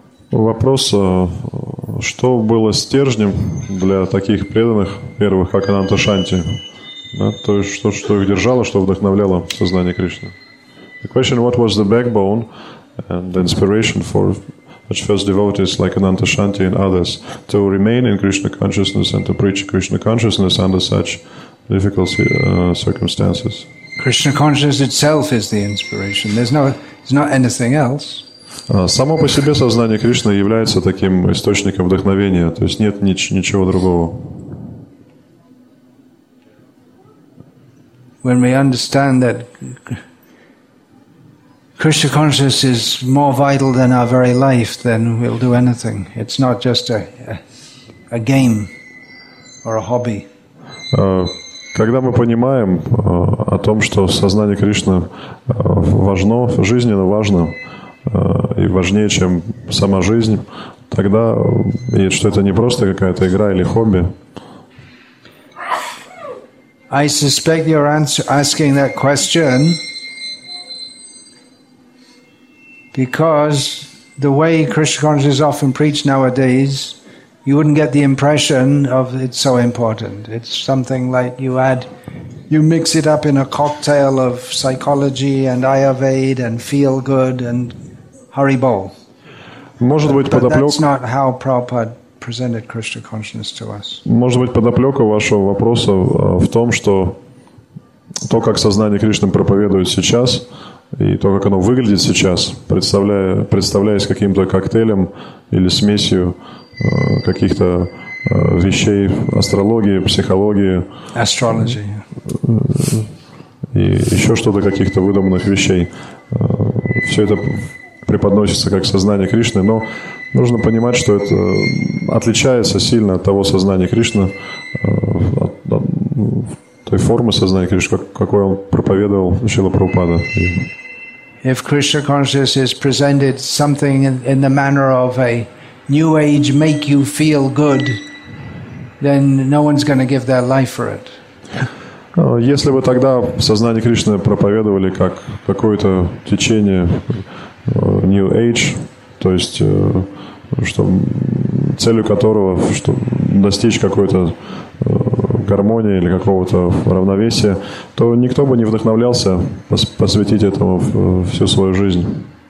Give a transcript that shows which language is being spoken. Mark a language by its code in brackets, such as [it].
[ru] Вопрос, что было стержнем для таких преданных первых, как Ананта Шанти? Да, то есть, что их держало, что вдохновляло сознание Кришны? [en] The question, what was the backbone and the inspiration for such first devotees like Ananta Shanti and others to remain in Krishna consciousness and to preach Krishna consciousness under such difficult circumstances? Krishna consciousness itself is the inspiration. There's not anything else. [ru] Само по себе сознание Кришны является таким источником вдохновения, то есть нет ничего другого. [en] When we understand that Krishna consciousness is more vital than our very life, then we'll do anything. It's not just a game or a hobby. [ru] Когда мы понимаем о том, что сознание Кришны важно, жизненно важно, и важнее, чем сама жизнь, тогда, и что это не просто какая-то игра или хобби. [en] I suspect you're asking that question because the way Krishna consciousness is often preached nowadays, you wouldn't get the impression of it's so important. It's something like you mix it up in a cocktail of psychology and Ayurveda and feel good and Hari Bol. [ru] Может быть, подоплёк. [en] That's not how Prabhupada presented Krishna consciousness to us. [ru] Может быть, подоплёка вашего вопроса в том, что то, как сознание Кришны проповедуют сейчас, и то, как оно выглядит сейчас, представляясь каким-то коктейлем или смесью каких-то вещей астрологии, психологии. [en] Astrology. [ru] И ещё что-то каких-то выдуманных вещей. Всё это преподносится как сознание Кришны, но нужно понимать, что это отличается сильно от того сознания Кришны, от той формы сознания Кришны, какой он проповедовал Шрила Прабхупада. [en] If Krishna consciousness is presented something in the manner of a new age make you feel good, then no one's going to give their life for it. [ru] Если бы тогда сознание Кришны проповедовали как какое-то течение New Age, то есть что целью которого что достичь какой-то гармонии или какого-то равновесия, то никто бы не вдохновлялся посвятить этому всю свою жизнь.